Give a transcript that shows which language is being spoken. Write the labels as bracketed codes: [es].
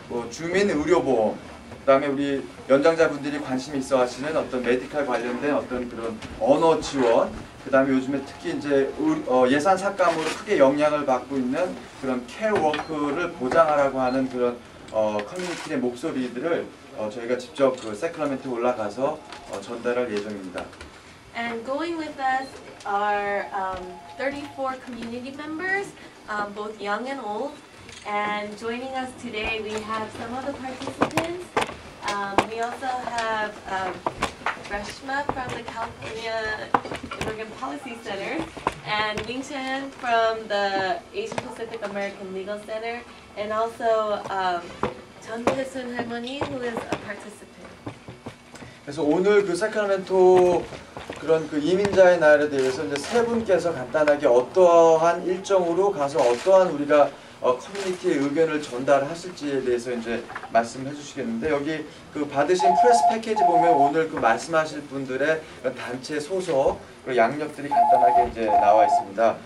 [ko] 주민 의료보험, 그다음에 우리 연장자분들이 관심 있어 하시는 어떤 메디컬 관련된 어떤 그런 언어 지원, 그다음에 요즘에 특히 이제 예산 삭감으로 크게 영향을 받고 있는 그런 케어워크를 보장하라고 하는 그런 커뮤니티의 목소리들을 저희가 직접 그 사크라멘토에 올라가서 전달할 예정입니다. [en] And going with us are 34 community members, both young and old. And joining us today, we have some of the participants. We also have Reshma from the California Immigrant Policy Center, and Ming Chen from the Asian Pacific American Legal Center, and also Jeon Tae-sun Halmoni, who is a participant. [ko] 그래서 오늘 그 사크라멘토 그런 그 이민자의 날에 대해서 이제 세 분께서 간단하게 어떠한 일정으로 가서 어떠한 우리가 커뮤니티의 의견을 전달하실지에 대해서 이제 말씀해 주시겠는데, 여기 그 받으신 프레스 패키지 보면 오늘 그 말씀하실 분들의 단체 소속 그리고 양력들이 간단하게 이제 나와 있습니다.